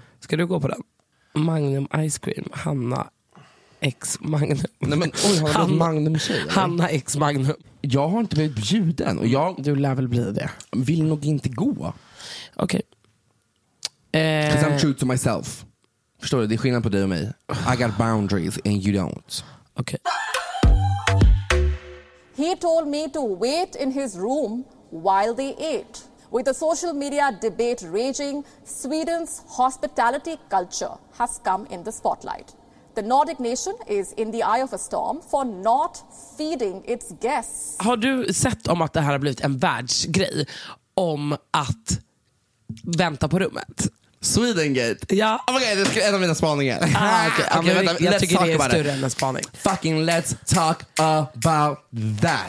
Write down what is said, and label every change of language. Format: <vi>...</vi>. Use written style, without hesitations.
<sv>Ska du gå på den? Magnum ice cream, Hanna X Magnum. Nej, men oj, har Hanna, Magnum tjej, Hanna X Magnum. Jag har inte blivit bjuden och jag, du lär väl bli det. Vill nog inte gå. Okej.</sv> <en>Okay. I'm true to myself.</en> <sv>Förstår du, det är skillnad på dig och mig.</sv> <en>I got boundaries and you don't.</en> <sv>Okej.</sv> <en>He told me to wait in his room while they ate. With the social media debate raging, Sweden's hospitality culture has come in the spotlight. The Nordic nation is in the eye of a storm for not feeding its guests.</en> <sv>Har du sett om att det här har blivit en världsgrej om att vänta på rummet? Swedengate. Ja.</sv> <en>Oh my god,</en> <sv>det är en av mina spaningar. Jag tycker det är en större spaning.</sv> <en>Fucking let's talk about that.</en>